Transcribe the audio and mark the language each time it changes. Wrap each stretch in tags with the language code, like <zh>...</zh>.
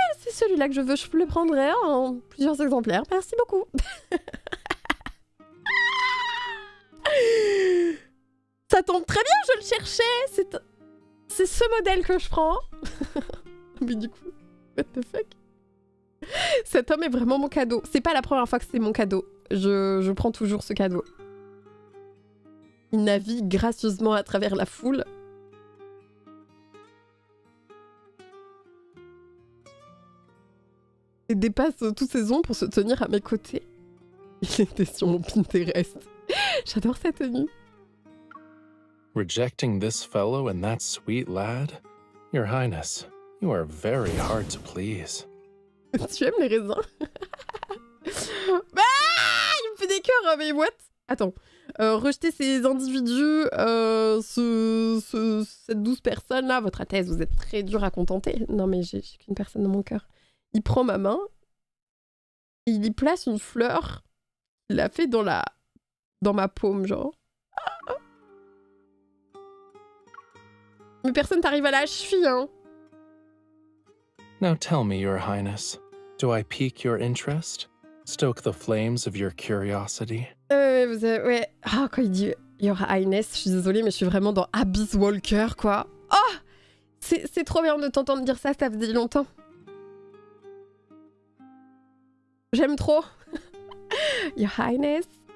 <fr>Celui-là que je veux, je le prendrai en plusieurs exemplaires. Merci beaucoup. Ça tombe très bien, je le cherchais. C'est ce modèle que je prends. Mais du coup,</fr> <en>what the fuck?</en> <fr>Cet homme est vraiment mon cadeau. C'est pas la première fois que c'est mon cadeau. Je prends toujours ce cadeau. Il navigue gracieusement à travers la foule. Et dépasse toutes ses ombres pour se tenir à mes côtés. Il était sur mon Pinterest. J'adore sa tenue.</fr> <en>Rejecting this fellow and that sweet lad, Your Highness, you are very hard to please.</en> <fr>Tu aimes les raisins? Ah, il me fait des cœurs, mais what? Attends. Rejeter ces individus, cette douce personne-là, votre Altesse, vous êtes très dur à contenter. Non, mais j'ai qu'une personne dans mon cœur. Il prend ma main et il y place une fleur. Il la fait dans ma paume, genre. Mais personne t'arrive à la cheville, hein.</fr> <en>Now tell me, Your Highness, do I pique your interest? Stoke the flames of your curiosity?</en> <fr>Vous avez, ouais. Ah, oh, quand il dit</fr> <en>Your Highness,</en> <fr>je suis désolée, mais je suis vraiment dans Abyss Walker, quoi. Oh, c'est trop bien de t'entendre dire ça, ça faisait longtemps. J'aime trop.</fr> <en>Your Highness.</en>